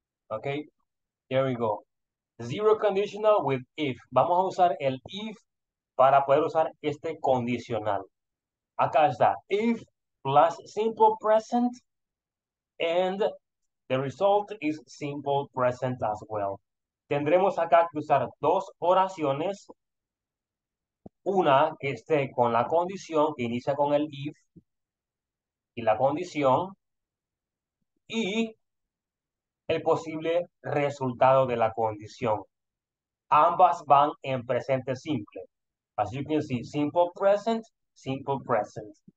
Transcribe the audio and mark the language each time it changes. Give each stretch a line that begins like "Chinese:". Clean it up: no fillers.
English: Okay, there we go. Zero conditional with if.
Spanish: Vamos a usar el if para poder usar este condicional. Acá está,
English: if plus simple present, and the result is simple present as well.
Spanish: Tendremos acá que usar dos oraciones. Una que esté con la condición, que inicia con el if y la condición, y el posible resultado de la condición. Ambas van en presente simple.
English: As you can see, simple present, simple present.